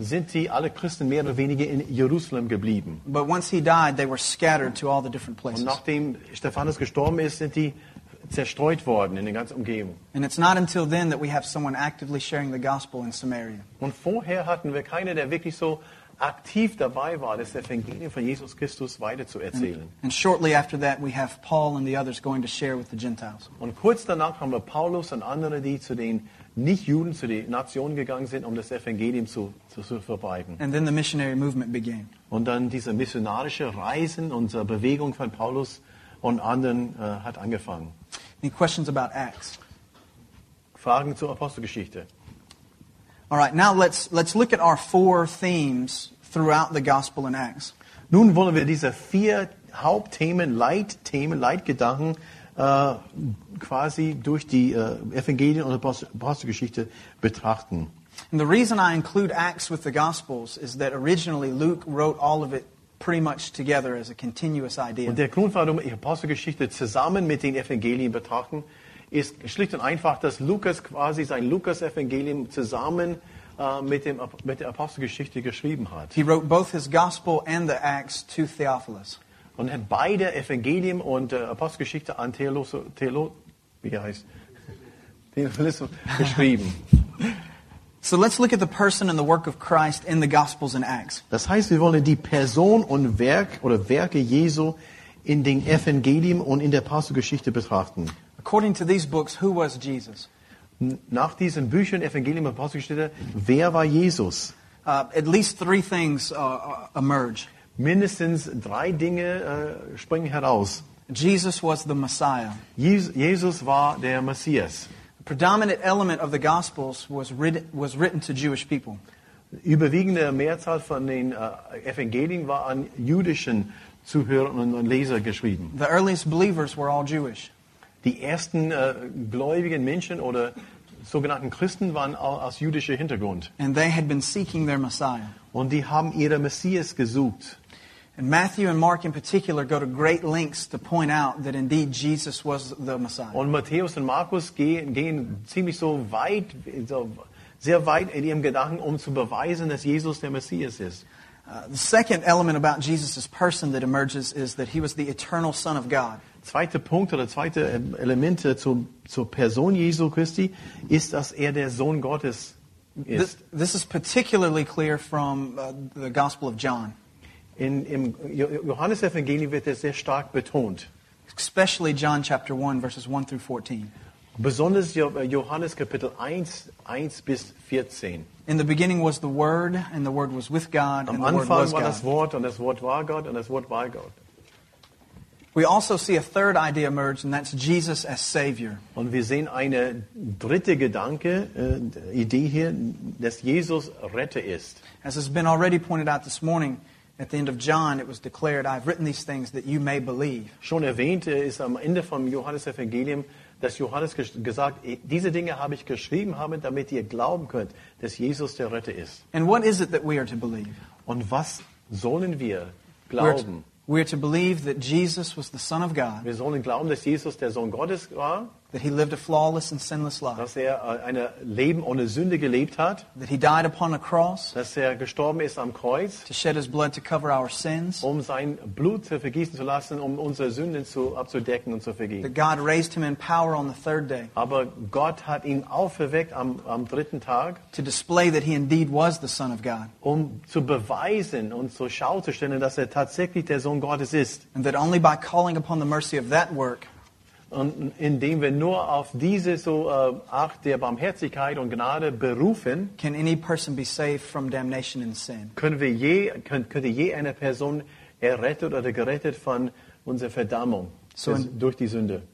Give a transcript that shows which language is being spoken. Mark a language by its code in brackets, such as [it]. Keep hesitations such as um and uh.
[en] But once he died, they were scattered to all the different places. And after Stephanos died, they were scattered [de] in der ganzen Umgebung. [en] And it's not until then that we have someone actively sharing the gospel in Samaria. [de] Und vorher hatten wir keine, der wirklich so aktiv dabei war, das Evangelium von Jesus Christus weiterzuerzählen. [en] shortly after that we have Paul and the others going to share with the Gentiles. [de] Und kurz danach haben wir Paulus und andere, die zu den Nichtjuden, zu den Nationen gegangen sind, um das Evangelium zu, zu, zu verbreiten. [en] And then the missionary movement began. [de] Und dann diese missionarische Reisen und Bewegung von Paulus und anderen äh, hat angefangen. [en] Any questions about Acts? [de] Fragen zur Apostelgeschichte. [en] All right, now let's, let's look at our four themes throughout the Gospel and Acts. [de] Nun wollen wir diese vier Hauptthemen, Leitthemen, Leitgedanken äh, quasi durch die äh, Evangelien oder Apostelgeschichte Apost betrachten. [en] And the reason I include Acts with the Gospels is that originally Luke wrote all of it pretty much together as a continuous idea. [de] Und der Grund, warum ich Apostelgeschichte zusammen mit den Evangelien betrachten, ist schlicht und einfach, dass Lukas quasi sein Lukas-Evangelium zusammen äh, mit, dem, mit der Apostelgeschichte geschrieben hat. [en] He wrote both his gospel and the Acts to Theophilus. [de] Und hat beide Evangelium und Apostelgeschichte an Theolos, Theolo, geschrieben. [en] So let's look at the person and the work of Christ in the Gospels and Acts. [de] Das heißt, wir wollen die Person und Werk oder Werke Jesu in den Evangelium und in der Apostelgeschichte betrachten. [en] According to these books, who was Jesus? [de] Nach diesen Büchern, Evangelium und Posten, wer war Jesus? [en] Uh, at least three things uh, emerge. [de] Mindestens drei Dinge uh, springen heraus. [en] Jesus was the Messiah. [de] Jesus, Jesus war der Messias. [en] The predominant element of the Gospels was, was written, to Jewish people. [de] Überwiegende Mehrzahl von den Evangelien war an jüdischen Zuhörern und Leser geschrieben. [en] The earliest believers were all Jewish [de] die ersten äh, uh, gläubigen Menschen oder sogenannten Christen waren aus jüdischer Hintergrund. [en] And they had been seeking their Messiah. [de] Und die haben ihren Messias gesucht. [en] And Matthew and Mark in particular go to great lengths to point out that indeed Jesus was the Messiah. [de] And Matthäus and Markus gehen, gehen ziemlich so weit, so sehr weit in ihrem Gedanken, um zu beweisen, dass Jesus der Messias ist. [en] Uh, the second element about Jesus' person that emerges is that he was the eternal Son of God [de] zweite Punkt oder zweite Elemente zu, zur Person Jesu Christi ist, dass er der Sohn Gottes ist. [en] This, this is particularly clear from uh, the Gospel of John. [de] In im Johannes Evangelium wird es sehr stark betont. [en] Especially John chapter 1 verses 1 through 14. [de] Besonders Johannes Kapitel 1, 1 bis 14. [en] In the beginning was the Word, and the Word was with God, Am and the Anfang Word was, war Das Wort, [de] und das Wort war Gott, und das Wort war Gott. [en] We also see a third idea emerge, and that's Jesus as Savior. And we see [de] eine third Gedanke, äh, Idee hier, dass Jesus Retter ist. [en] As has been already pointed out this morning, at the end of John, it was declared, "I have written these things that you may believe." [de] Schon erwähnt ist am Ende vom Johannes Evangelium, dass Johannes gesagt, diese Dinge habe ich geschrieben, habe, damit ihr glauben könnt, dass Jesus der Retter ist. [en] And what is it that we are to believe? [de] Und was sollen wir glauben? [en] We're we are to believe that Jesus was the Son of God that he lived a flawless and sinless life. [de] Dass er äh, ein Leben ohne Sünde gelebt hat. That he died upon a cross. Dass er gestorben ist am Kreuz. [en] To shed his blood to cover our sins. [de] Um sein Blut vergießen zu lassen, um unsere Sünden zu abzudecken und zu vergeben. [en] That God raised him in power on the third day. [de] Aber Gott hat ihn auferweckt am am dritten Tag. [en] To display that he indeed was the Son of God. [de] Um zu beweisen und zur Schau zu stellen, dass er tatsächlich der Sohn Gottes ist. [en] And that only by calling upon the mercy of that work. [de] Und indem wir nur auf diese so, uh, Art der Barmherzigkeit und Gnade berufen, be können wir je können, könnte je eine Person errettet oder gerettet von unserer Verdammung so in, durch die Sünde.